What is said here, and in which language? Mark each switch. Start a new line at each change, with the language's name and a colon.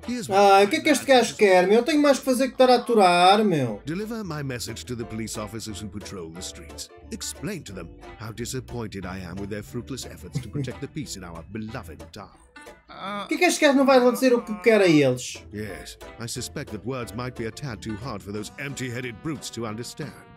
Portuguese: Ah, o que é que este gajo quer, meu? Eu tenho mais que fazer que estar a aturar, meu.
English: Deliver my message to the police officers who patrol the streets. Explain to them how disappointed I am with their fruitless efforts to protect the peace in our beloved town.
Portuguese: O que é que este gajo não vai dizer o que quer a eles?
English: Yes, I suspect that words might be a tad too hard for those empty-headed brutes to understand.